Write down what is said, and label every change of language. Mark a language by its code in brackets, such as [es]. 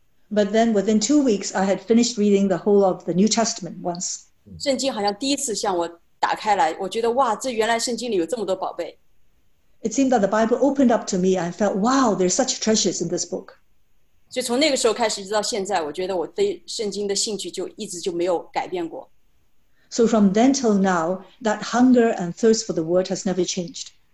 [en] But then, within 2 weeks, I had finished reading the whole of the New Testament once. [zh] 圣经好像第一次向我打开来，我觉得哇，这原来圣经里有这么多宝贝。 [en] It seemed that the Bible opened up to me and I felt, wow, there's such treasures in this book. [zh] 就从那个时候开始直到现在,我觉得我对圣经的兴趣就一直就没有改变过。 [en] So from then till now, that hunger and thirst for the word has never changed.